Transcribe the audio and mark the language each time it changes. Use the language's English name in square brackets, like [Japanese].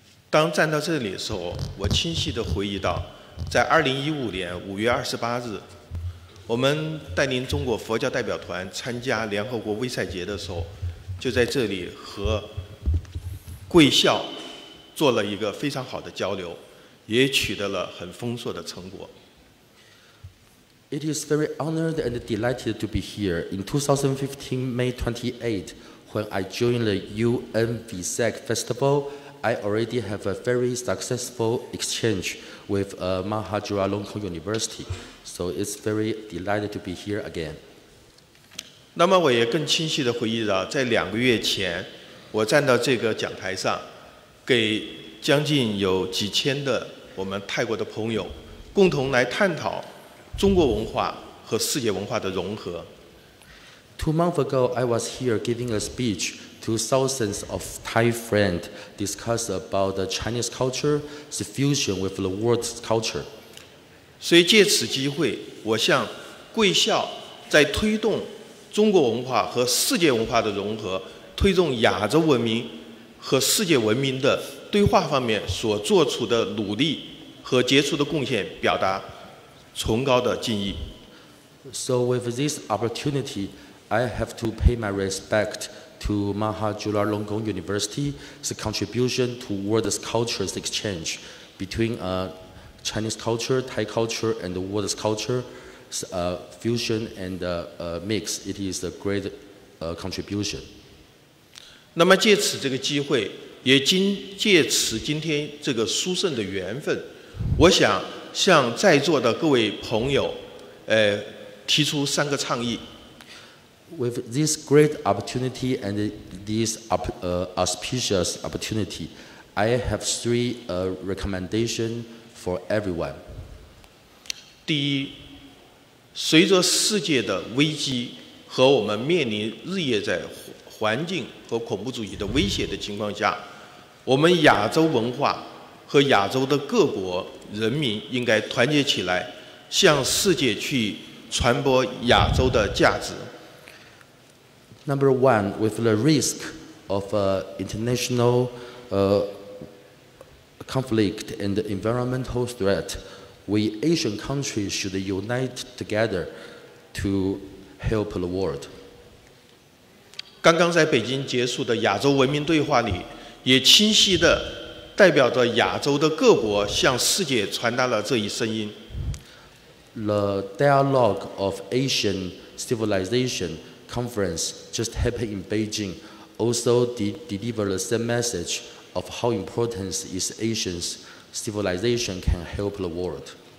[Chinese] 当站到这里的时候，我清晰地回忆到，在2015年5月28日。我们带领中国佛教代表团参加联合国威赛节的时候，就在这里和贵校做了一个非常好的交流，也取得了很丰硕的成果。 [English] It is very honored and delighted to be here in 2015 May 28, when I joined the UN VSAC Festival. I already have a very successful exchange with Mahajulalongkorn University. So it's very delighted to be here again. [Chinese] 那么我也更清晰地回忆到，在两个月前，我站到这个讲台上，给将近有几千的我们泰国的朋友，共同来探讨中国文化和世界文化的融合。 [English] Two months ago, I was here giving a speech to thousands of Thai friends, discuss about the Chinese culture, the fusion with the world's culture. [Chinese] 所以借此机会，我向贵校在推动中国文化和世界文化的融合，推动亚洲文明和世界文明的对话方面所做出的努力和杰出的贡献，表达崇高的敬意。 [English] So with this opportunity, I have to pay my respect to Mahajulalongkorn University, the contribution to world's cultures exchange between Chinese culture, Thai culture, and the world's culture, fusion and mix. It is a great contribution. [Chinese] 那么借此这个机会，也借此今天这个殊胜的缘分，我想向在座的各位朋友，提出三个倡议。 [English] With this great opportunity and this auspicious opportunity, I have three recommendations. For everyone. [Chinese] 第一，随着世界的危机和我们面临日夜在环境和恐怖主义的威胁的情况下，我们亚洲文化和亚洲的各国人民应该团结起来，向世界去传播亚洲的价值。 [English] Number one, with the risk of international conflict and environmental threat, we Asian countries should unite together to help the world. [Chinese] 刚刚在北京结束的亚洲文明对话里，也清晰地代表着亚洲的各国向世界传达了这一声音。 [English] The dialogue of Asian Civilization Conference just happened in Beijing also delivered the same message of how important is Asian civilization can help the world.